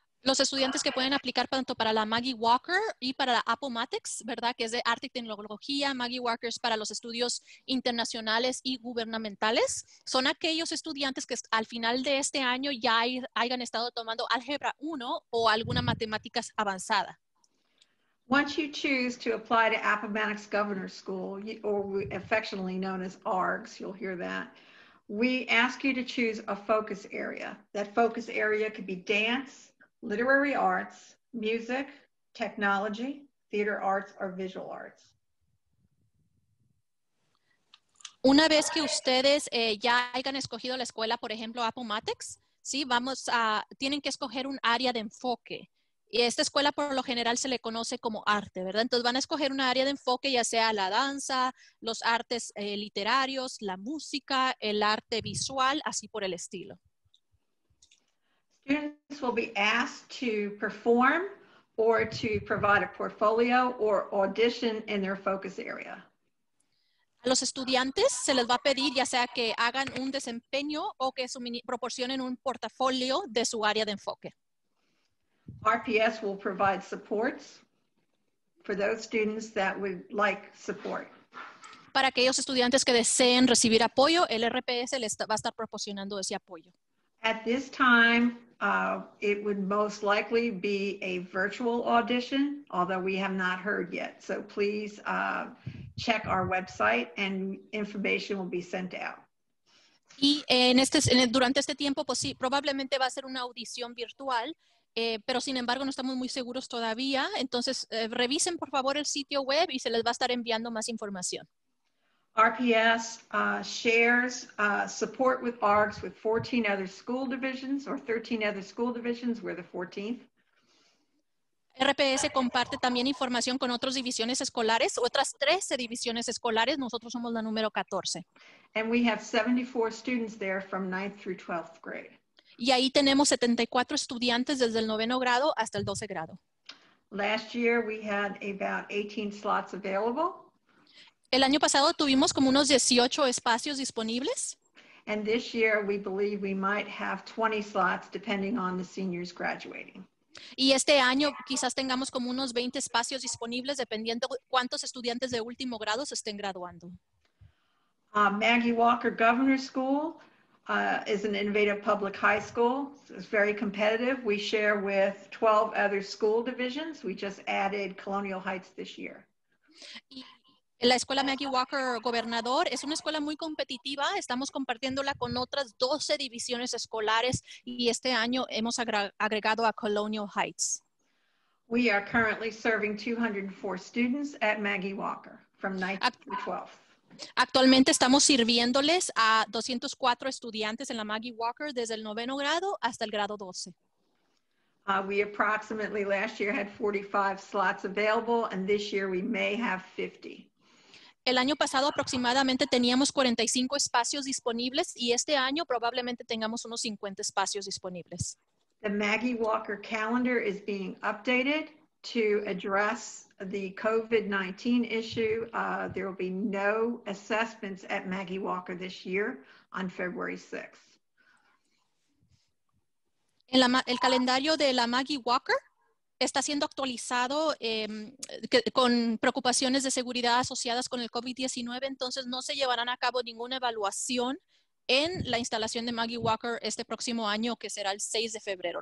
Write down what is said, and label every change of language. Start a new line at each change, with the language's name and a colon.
Spanish: Los estudiantes que pueden aplicar tanto para la Maggie Walker y para la Appomattox, ¿verdad? Que es de arte y tecnología. Maggie Walker es para los estudios internacionales y gubernamentales. Son aquellos estudiantes que al final de este año ya hayan estado tomando álgebra 1 o alguna matemáticas avanzada.
English: Once you choose to apply to Appomattox Governor School, or affectionately known as ARGS, you'll hear that, we ask you to choose a focus area. That focus area could be dance, literary arts, music, technology, theater arts, or visual arts.
Spanish: Una vez que ustedes ya hayan escogido la escuela, por ejemplo, Appomattox, sí, vamos a, tienen que escoger un área de enfoque. Y esta escuela por lo general se le conoce como arte, ¿verdad? Entonces van a escoger un área de enfoque, ya sea la danza, los artes literarios, la música, el arte visual, así por el estilo.
English: Students will be asked to perform or to provide a portfolio or audition in their focus area.
Spanish: A los estudiantes se les va a pedir ya sea que hagan un desempeño o que proporcionen un portafolio de su área de enfoque.
English: RPS will provide supports for those students that would like support.
Spanish: Para aquellos estudiantes que deseen recibir apoyo, el RPS les va a estar proporcionando ese apoyo.
English: At this time, it would most likely be a virtual audition, although we have not heard yet. So please check our website and information will be sent out.
Spanish: Y en este, en el, durante este tiempo, pues sí, probablemente va a ser una audición virtual, pero sin embargo no estamos muy seguros todavía. Entonces revisen por favor el sitio web y se les va a estar enviando más información.
English: RPS shares support with ARGS with 14 other school divisions or 13 other school divisions. We're the 14th.
Spanish: RPS comparte también información con otras divisiones escolares, otras 13 divisiones escolares. Nosotros somos la número 14.
English: And we have 74 students there from 9th through 12th grade.
Spanish: Y ahí tenemos 74 estudiantes desde el noveno grado hasta el 12 grado.
English: Last year we had about 18 slots available.
Spanish: El año pasado tuvimos como unos 18 espacios disponibles.
English: And this year we believe we might have 20 slots depending on the seniors graduating.
Spanish: Y este año quizás tengamos como unos 20 espacios disponibles dependiendo cuántos estudiantes de último grado se estén graduando.
English: Maggie Walker Governor School is an innovative public high school. It's very competitive. We share with 12 other school divisions. We just added Colonial Heights this year.
Spanish: La escuela Maggie Walker Gobernador es una escuela muy competitiva. Estamos compartiéndola con otras 12 divisiones escolares y este año hemos agregado a Colonial Heights.
English: We are currently serving 204 students at Maggie Walker from 9th to 12th.
Spanish: Actualmente estamos sirviéndoles a 204 estudiantes en la Maggie Walker desde el noveno grado hasta el grado 12.
English: We approximately last year had 45 slots available and this year we may have 50.
Spanish: El año pasado aproximadamente teníamos 45 espacios disponibles y este año probablemente tengamos unos 50 espacios disponibles.
English: The Maggie Walker calendar is being updated to address the COVID-19 issue. There will be no assessments at Maggie Walker this year on February 6th.
Spanish: El calendario de la Maggie Walker está siendo actualizado con preocupaciones de seguridad asociadas con el COVID-19, entonces no se llevarán a cabo ninguna evaluación en la instalación de Maggie Walker este próximo año, que será el 6 de febrero.